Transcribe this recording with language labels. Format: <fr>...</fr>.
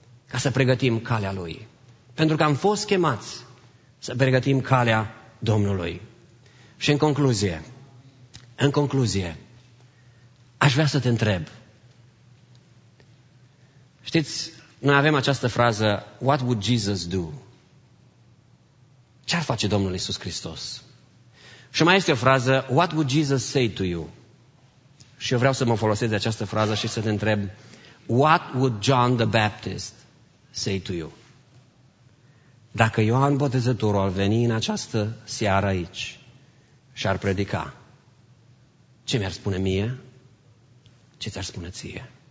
<ro>Ca să pregătim calea Lui. Pentru că am fost chemați să pregătim calea Domnului. Și în concluzie, aș vrea să te întreb. Știți, noi avem această frază,</ro> <en>what would Jesus do?</en> <ro>Ce-ar face Domnul Iisus Hristos? Și mai este o frază,</ro> <en>what would Jesus say to you?</en> <ro>Și eu vreau să mă folosesc de această frază și să te întreb,</ro> <en>what would John the Baptist say to you?</en> <ro>Dacă Ioan Botezătorul ar veni în această seară aici și ar predica, ce mi-ar spune mie? Ce ți-ar spune ție?</ro>